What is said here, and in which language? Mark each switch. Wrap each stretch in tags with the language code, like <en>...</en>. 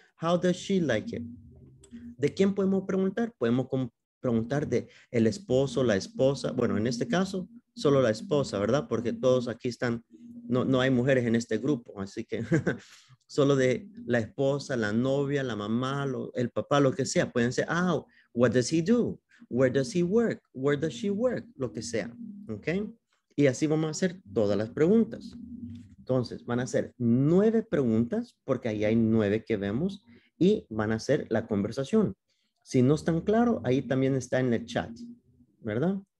<en>How does she like it?</en> <es>¿De quién podemos preguntar? Podemos preguntar de el esposo, la esposa. Bueno, en este caso, solo la esposa, ¿verdad? Porque todos aquí están... No, no hay mujeres en este grupo, así que solo de la esposa, la novia, la mamá, el papá, lo que sea. Pueden ser,</es> <en>ah, oh, what does he do? Where does he work? Where does she work?</en> <es>Lo que sea,</es> <en>¿ok?</en> <es>Y así vamos a hacer todas las preguntas. Entonces, van a ser 9 preguntas, porque ahí hay 9 que vemos, y van a hacer la conversación. Si no están claros, ahí también está en el chat, ¿verdad?</es>